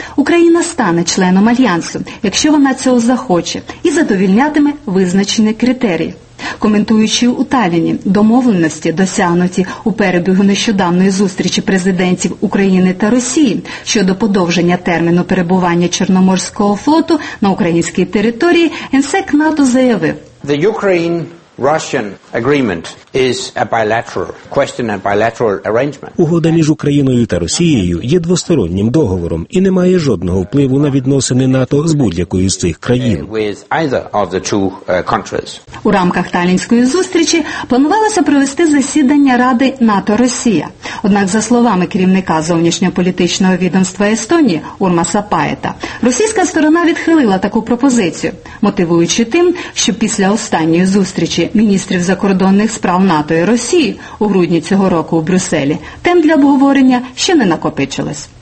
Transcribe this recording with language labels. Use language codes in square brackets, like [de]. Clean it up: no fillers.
[uk] Україна стане членом Альянсу, якщо вона цього захоче, і задовільнятиме визначені критерії. Коментуючи у Таліні домовленості, досягнуті у перебігу нещодавної зустрічі президентів України та Росії щодо подовження терміну перебування Чорноморського флоту на українській території, генсек НАТО заявив: [en] The Ukraine Russian agreement is a bilateral question and bilateral arrangement. [uk] Угода між Україною та Росією є двостороннім договором і не має жодного впливу на відносини НАТО з будь-якою з цих країн. [en] With either of the two countries. [uk] У рамках талінської зустрічі планувалося провести засідання Ради НАТО-Росія. Однак, за словами керівника зовнішньополітичного відомства Естонії Урмаса Паєта, російська сторона відхилила таку пропозицію, мотивуючи тим, що після останньої зустрічі міністрів закордонних справ НАТО і Росії у грудні цього року у Брюсселі тем для обговорення ще не накопичилось.